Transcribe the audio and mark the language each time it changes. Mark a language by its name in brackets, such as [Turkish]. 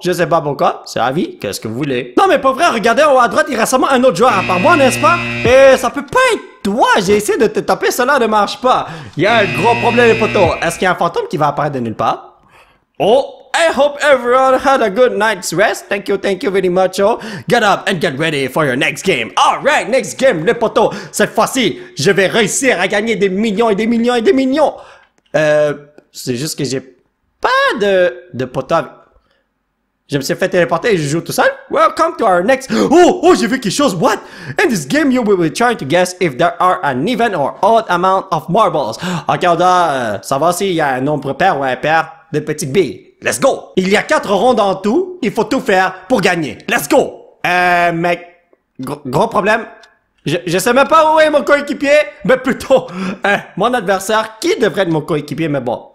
[French] Je sais pas pourquoi. C'est la vie. Qu'est-ce que vous voulez? Non, mais pas vrai. Regardez en haut à droite, il reste seulement un autre joueur à part moi, n'est-ce pas? Et ça peut pas être toi. J'ai essayé de te taper, cela ne marche pas. Il y a un gros problème, les potos. Est-ce qu'il y a un fantôme qui va apparaître de nulle part? [English] Oh! I hope everyone had a good night's rest. Thank you very much. Oh. Get up and get ready for your next game. Alright, next game, les potos. [French] Cette fois-ci, je vais réussir à gagner des millions et des millions et des millions. C'est juste que j'ai pas de potos. Je me suis fait téléporter et je joue tout seul. [English] Welcome to our next... Oh, j'ai vu quelque chose. What? In this game, you will be trying to guess if there are an even or odd amount of marbles. [French] Ok, on doit savoir s'il y a un nombre pair ou impair de petites billes. Let's go! Il y a 4 rondes en tout, il faut tout faire pour gagner. Let's go! Mec, gros problème. Je sais même pas où est mon coéquipier, mais plutôt, mon adversaire, qui devrait être mon coéquipier, mais bon.